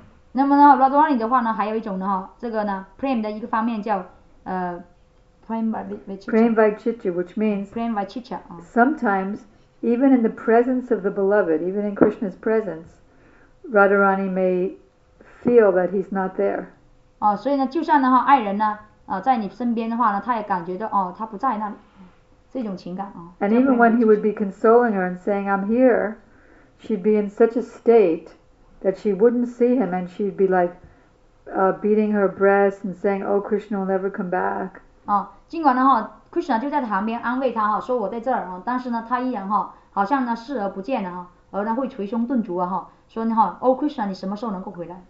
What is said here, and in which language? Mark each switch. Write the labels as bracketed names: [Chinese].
[Chinese] 那么呢, Radharani的话呢, 还有一种呢, 这个呢, prema的一个方面叫, [English] prema vaichitya, which means prema vaichitya, sometimes, even in the presence of the beloved, even in Krishna's presence, Radharani may feel that he's not there. [Chinese] 所以呢, 就算呢, 爱人呢, 在你身边的话呢, 他也感觉到, 他不在那里, 这种情感, [English] And even when he would be consoling her and saying, I'm here, she'd be in such a state that she wouldn't see him and she'd be like beating her breast and saying, oh, Krishna will never come back. [Chinese] 尽管呢, Krishna 就在旁边安慰他, 说我在这儿, 但是呢, 他依然, 好像呢, 视而不见了, 而呢, 会捶胸顿足啊, 说呢, oh, Krishna, 你什么时候能够回来?